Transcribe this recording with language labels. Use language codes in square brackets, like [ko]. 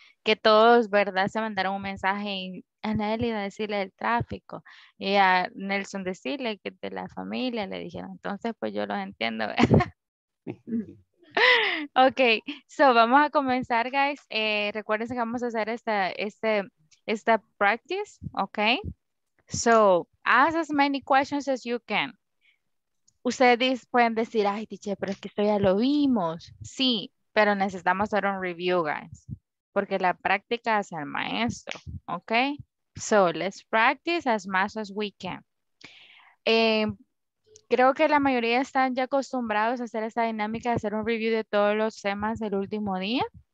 [es] que todos, ¿verdad?, se mandaron un mensaje a Nélida decirle del tráfico y a Nelson decirle que de la familia le dijeron. Entonces, pues yo los entiendo. Ok, so vamos a comenzar, guys. Recuerden que vamos a hacer esta practice, ok. [en] So, ask as many questions as you can. [es] Ustedes pueden decir, ay, tiche, pero es que esto ya lo vimos. Sí, pero necesitamos hacer un review, guys. Porque la práctica es el maestro, ok. [en] So, let's practice as much as we can. [es] Creo que la mayoría están ya acostumbrados a hacer esta dinámica de hacer un review de todos los temas del último día.